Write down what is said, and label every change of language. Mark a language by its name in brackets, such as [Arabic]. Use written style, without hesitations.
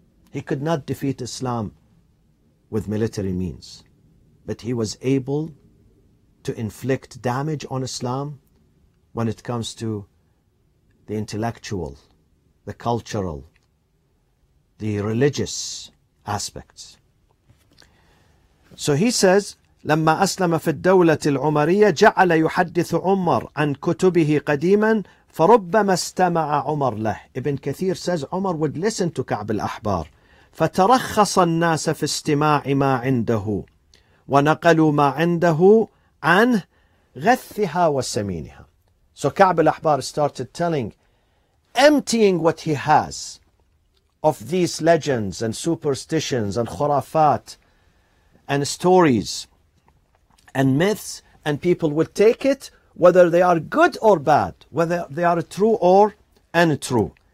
[English] He could not defeat Islam with military means, but he was able to inflict damage on Islam when it comes to the intellectual, the cultural, the religious aspects. So he says, [Arabic] لما أسلم في الدولة العمرية جعل يحدث عمر عن كتبه قديما فربما استمع عمر له. [English] Ibn Kathir says, عمر would listen to كعب الأحبار. [Arabic] فترخص الناس في استماع ما عنده ونقلوا ما عنده عن غثها وسمينها. [English] So كعب الأحبار started telling, emptying what he has of these legends and superstitions and خرافات and stories and myths, and people would take it whether they are good or bad, whether they are true or untrue.